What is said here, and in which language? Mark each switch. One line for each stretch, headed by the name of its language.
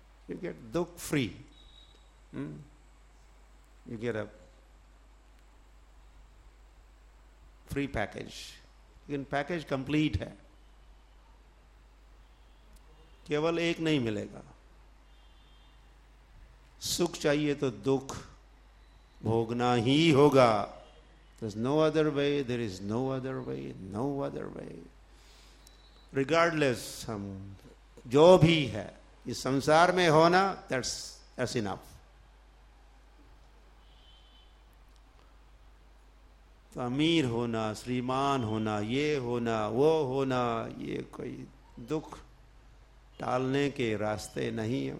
English: You get दुख free, you get a free package.
Hindi: लेकिन package complete है, केवल एक नहीं मिलेगा। सुख चाहिए तो दुख भोगना ही होगा।
English: There's no other way, there is no other way, no other way.
Hindi: Regardless, हम जो भी है इस संसार में होना,
English: that's enough.
Hindi: तो अमीर होना, श्रीमान होना, ये होना, वो होना, ये कोई दुख टालने के रास्ते नहीं है।